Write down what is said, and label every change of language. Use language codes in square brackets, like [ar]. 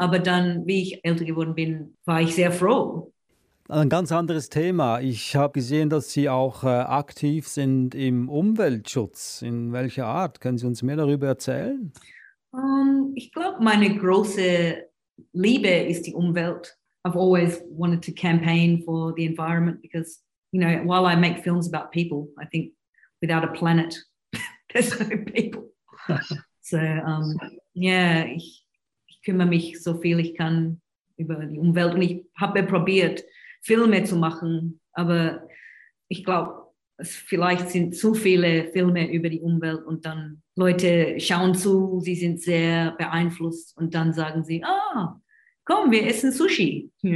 [de] Aber dann, wie ich älter geworden bin, war ich sehr froh. Ein ganz anderes Thema. Ich habe gesehen, dass Sie auch aktiv sind im Umweltschutz. In welcher Art? Können Sie uns mehr darüber erzählen? Ich glaube, meine große Liebe ist die Umwelt. [en] I've always wanted to campaign for the environment because, you know, while I make films about people, I think without a planet, there's no people. So, yeah, [de] ich kümmere mich so viel ich kann über die Umwelt. Und ich habe probiert, Filme zu machen, aber ich glaube, vielleicht sind zu viele Filme über die Umwelt und dann Leute schauen zu, sie sind sehr beeinflusst und dann sagen sie, ah, komm, wir essen Sushi.